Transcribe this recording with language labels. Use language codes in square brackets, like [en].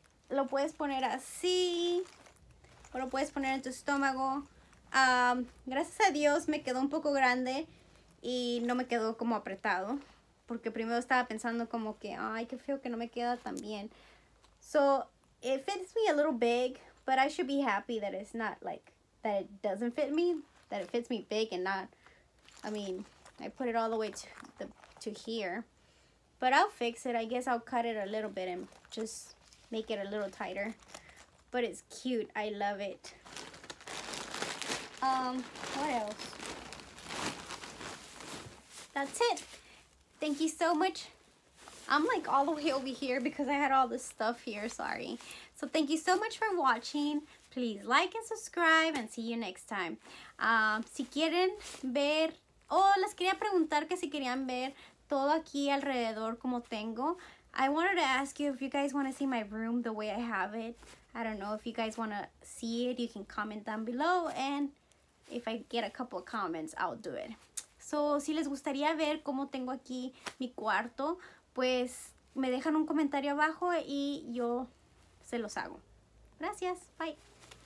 [es] Lo puedes poner así o lo puedes poner en tu estómago. Gracias a Dios me quedó un poco grande y no me quedó como apretado, porque primero estaba pensando como que, ay, qué feo que no me queda tan bien. [en] So, it fits me a little big, but I should be happy that it's not like, that it doesn't fit me, that it fits me big and not, I mean, I put it all the way to here. But I'll fix it, I guess I'll cut it a little bit and just make it a little tighter. But it's cute, I love it. What else? That's it. Thank you so much. I'm like all the way over here because I had all this stuff here. Sorry. So thank you so much for watching. Please like and subscribe and see you next time. [es] Si quieren ver, les quería preguntar que si querían ver todo aquí alrededor como tengo. [en] I wanted to ask you if you guys want to see my room the way I have it. I don't know if you guys want to see it. You can comment down below, and if I get a couple of comments, I'll do it. [es] So, si les gustaría ver cómo tengo aquí mi cuarto, pues me dejan un comentario abajo y yo se los hago. Gracias. Bye.